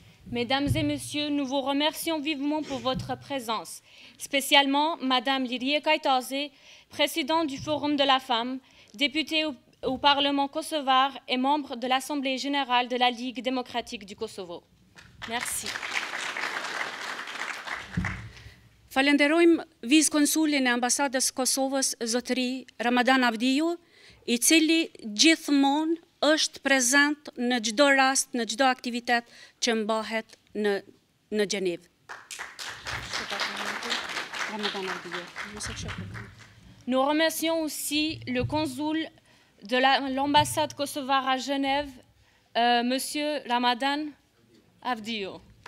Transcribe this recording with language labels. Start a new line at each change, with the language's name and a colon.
French: Mesdames et messieurs, nous vous remercions vivement pour votre présence, spécialement madame Lirie Kajtazi, présidente du Forum de la femme, députée au Parlement kosovar et membre de l'Assemblée générale de la Ligue démocratique du Kosovo. Merci.
Albanian: Falenderojmë vice-konsulin e ambasadës Kosovës, zotëri Ramadan Avdiju, i cili gjithmonë është prezent në çdo rast, në çdo aktivitet që mbahet në Gjenevë. Ramadan Avdiju.
French: Nous remercions aussi le consul de l'ambassade kosovare à Genève, Monsieur Ramadan Avdiju.